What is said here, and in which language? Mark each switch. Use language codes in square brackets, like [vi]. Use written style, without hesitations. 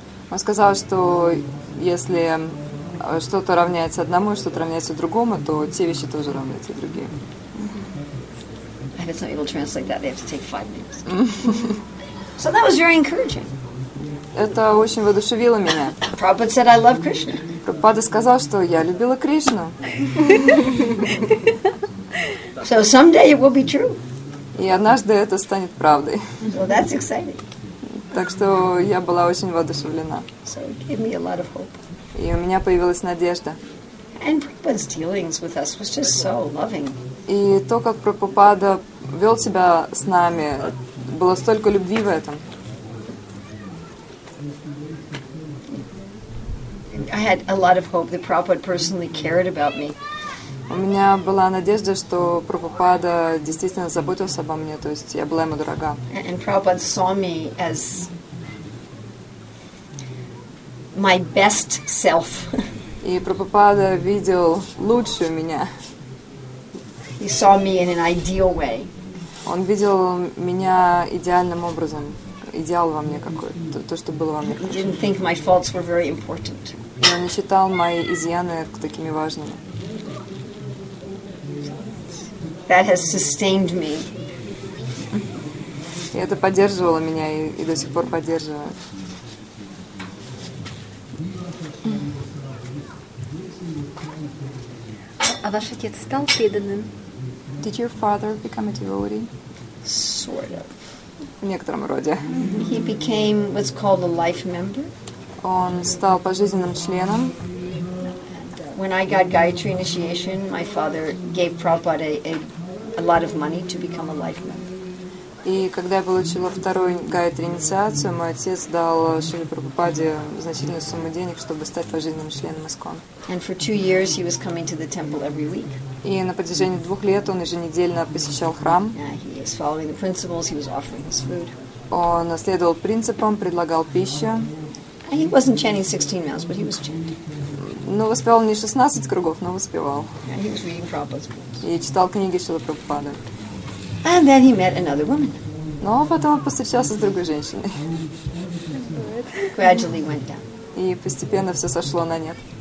[ru] Он сказал, что если что-то равняется одному, что-то равняется другому, то те вещи тоже равняются другим. [en] I have some people translate that, they have to take 5 minutes. So that was very encouraging. [ru] Это очень воодушевило меня. [en] Prabhupada said, I love Krishna. [ru] Прабхупада сказал, что я любила Кришну. [en] So someday it will be true. [ru] И однажды это станет правдой. [en] Well, that's exciting. [ru] Так что я была очень воодушевлена. [en] So it gave me a lot of hope. [ru] И у меня появилась надежда. [en] And Prabhupada's dealings with us was just so loving. [ru] И то, как Прабхупада вел себя с нами, было столько любви в этом. [en] I had a lot of hope that Prabhupada personally cared about me. [ru] У меня была надежда, что Прабхупада действительно заботился обо мне, то есть я была ему дорога. [en] And Prabhupada saw me as my best self. [ru] И Прабхупада видел лучшую меня. [en] He saw me in an ideal way. [ru] Он видел меня идеальным образом, идеал во мне какой, то, что было во мне. [en] He didn't think my faults were very important. [ru] Но он не считал мои изъяны такими важными. [en] That has sustained me. [ru] И это поддерживало меня и до сих пор поддерживает. А ваш отец стал преданным? [en] Did your father become a devotee? Sort of. [ru] В некотором роде. [en] He became what's called a life member. [ru] Он стал пожизненным членом. [en] When I got Gayatri initiation, my father gave Prabhupada a lot of money to become a life member. [ru] И когда я получила вторую Гайатри инициацию, мой отец дал Шриле Прабхупаде значительную сумму денег, чтобы стать пожизненным членом ИСККОН. [en] And for 2 years he was coming to the temple every week. [ru] И на протяжении 2 лет он еженедельно посещал храм. [en] He was following the principles, he was offering his food. [ru] Он следовал принципам, предлагал пищу. [en] He wasn't chanting 16 miles, but he was chanting. [ru] Ну, воспевал не 16 кругов, но воспевал. [en] Yeah, he was reading Prabhupada's books. [ru] И читал книги Шриле Прабхупады. [en] And then he met another woman. [ru] Но потом он повстречался с другой женщиной. [en] Gradually went down. [ru] И постепенно все сошло на нет.